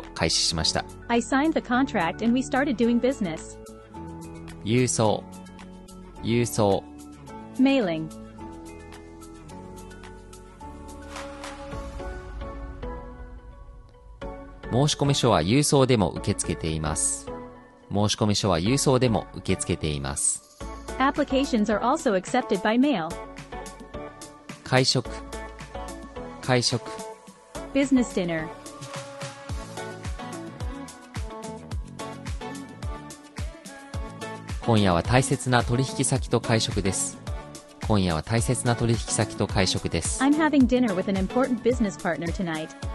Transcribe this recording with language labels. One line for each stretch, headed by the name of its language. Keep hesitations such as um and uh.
English: ししし I signed the contract and we started doing business.
Japanese: 郵送郵送 mailing 申込書は郵送でも受け付けています。申し込み書は郵送でも受け付けています
English: Applications are also accepted by mail.
Japanese: 会食会食
English: Business dinner.
Japanese: 今夜は大切な取引先と会食です今夜は大切な取引先と会食です
English: I'm having dinner with an important business partner tonight